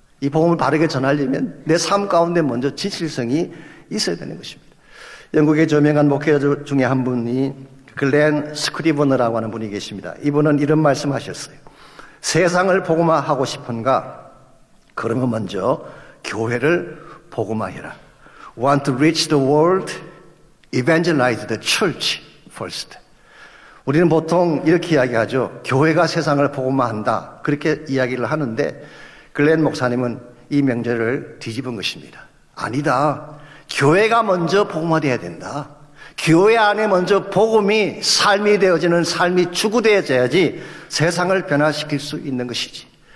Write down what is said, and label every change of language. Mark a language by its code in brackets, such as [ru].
[ko] 이 복음을 바르게 전하려면 내 삶 가운데 먼저 진실성이 있어야 되는 것입니다. 영국의 저명한 목회자 중에 한 분이 글렌 스크리버너라고 하는 분이 계십니다. 이분은 이런 말씀하셨어요. 세상을 복음화하고 싶은가? 그러면 먼저 교회를 복음화해라. [en] Want to reach the world? Evangelize the church first. [ko] 우리는 보통 이렇게 이야기하죠. 교회가 세상을 복음화한다, 그렇게 이야기를 하는데 글렌 목사님은 이 명제를 뒤집은 것입니다. 아니다, 교회가 먼저 복음화되어야 된다. 교회 안에 먼저 복음이 삶이 되어지는 삶이 추구되어져야지 세상을 변화시킬 수 있는 것이지.